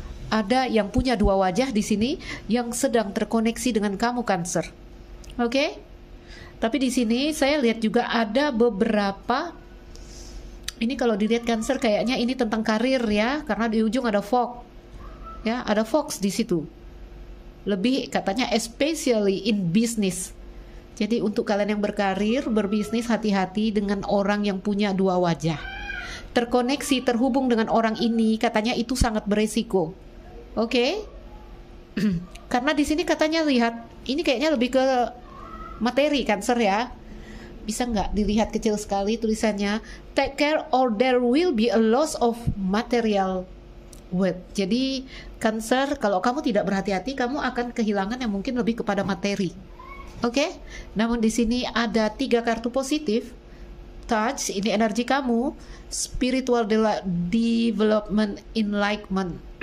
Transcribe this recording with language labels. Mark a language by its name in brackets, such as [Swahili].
[Indonesian] Ada yang punya dua wajah di sini yang sedang terkoneksi dengan kamu, Cancer. Oke? Tapi di sini saya lihat juga ada beberapa. Ini kalau dilihat Cancer kayaknya ini tentang karir ya, karena di ujung ada fox. Ya, ada fox di situ. Lebih katanya [English] especially in business. [Indonesian] Jadi untuk kalian yang berkarir, berbisnis, hati-hati dengan orang yang punya dua wajah. Terkoneksi, terhubung dengan orang ini, katanya itu sangat beresiko. Oke? Karena di sini katanya lihat, ini kayaknya lebih ke materi, Cancer ya. Bisa nggak dilihat kecil sekali tulisannya? [English] Take care or there will be a loss of material wealth. [Indonesian] Jadi Cancer, kalau kamu tidak berhati-hati, kamu akan kehilangan yang mungkin lebih kepada materi. Oke, namun di sini ada tiga kartu positif. [English] Touch, [Indonesian] ini energi kamu. [English] Spiritual development enlightenment.